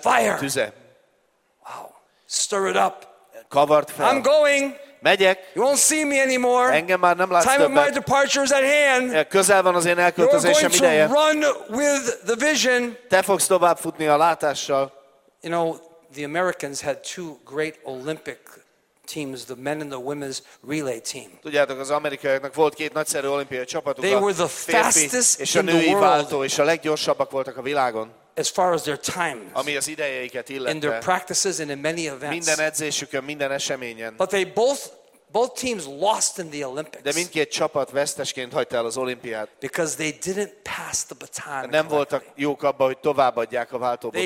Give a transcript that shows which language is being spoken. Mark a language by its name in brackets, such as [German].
[English] fire. [Hungarian] Tüze. [English] Wow. Stir it up. [Hungarian] Kavard fel. [English] I'm going. [Hungarian] Megyek. [English] You won't see me anymore. [Hungarian] Engem már nem látsz [English] time [Hungarian] többet. [English] Time of my departure is at hand. [Hungarian] Közel van az én elköltözésem ideje. [English] You're going to run with the vision. [Hungarian] Te fogsz tovább futni a látással. [English] You know, the Americans had 2 great Olympic teams, the men and the women's relay team. [Hungarian] Tudjátok, az amerikaiaknak volt 2 nagyszerű olimpiai csapatuk. [English] They were the fastest [Hungarian] és a női váltó és a leggyorsabbak voltak a világon. [English] As far as their times. [Hungarian] Ami az idejeiket illette. [English] In their practices and in many events. [Hungarian] Minden edzésükön, minden eseményen. [English] But they both teams lost in the Olympics. [Hungarian] De mindkét csapat vesztesként hagyta el az olimpiát. [English] Because they didn't pass the baton. [Hungarian] Nem voltak jók abban, hogy továbbadják a váltóbotot.